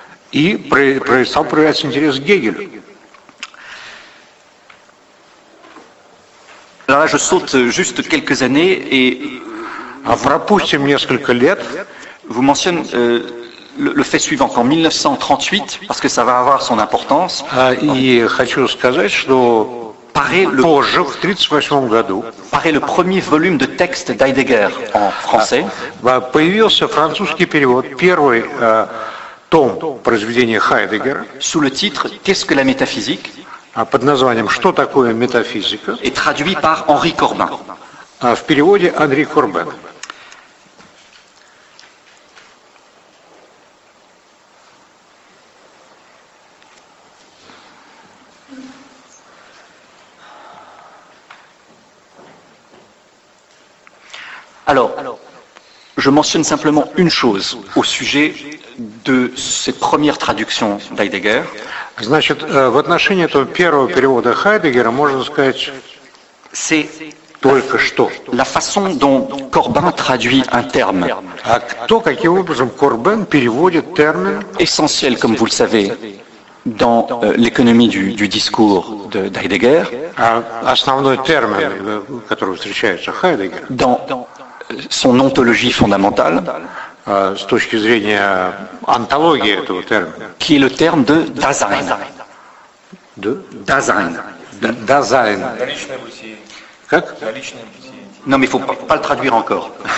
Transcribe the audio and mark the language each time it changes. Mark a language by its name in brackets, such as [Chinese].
[Russian] И стал проявляться интерес к Гегелю. [French] Alors là, je saute juste quelques années et. [Russian] Пропустим несколько лет. [French] Vous mentionne le fait suivant qu'en 1938, parce que ça va avoir son importance. [Russian] И хочу сказать, что [French] paraît le premier volume de texte d'Heidegger en français. [Russian] Появился французский перевод, первый том произведения Хайдеггера. [French] Sous le titre Qu'est-ce que la métaphysique? [Russian] Под названием Что такое метафизика? [French] Et traduit par Henri Corbin. [Russian] В переводе Андрей Корбен. [French] Alors, je mentionne simplement une chose au sujet de cette première traduction d'Heidegger. [Russian] Значит, в отношении этого первого перевода Хайдеггера можно сказать, [French] c'est [Russian] только что. [French] La façon dont Corbin traduit un terme. [Russian] А кто, каким образом Корбен переводит термин? [French] Essentiel, comme vous le savez, dans l'économie du discours d'Heidegger. [Russian] Основной термин, который встречается Хайдеггер. [French] Dans son ontologie fondamentale, [Russian] с точки зрения онтологии этого термина, [French] qui est le terme de Dasein. De Dasein. [Russian] Dasein. Как? [French] Non, mais il ne faut pas le traduire encore.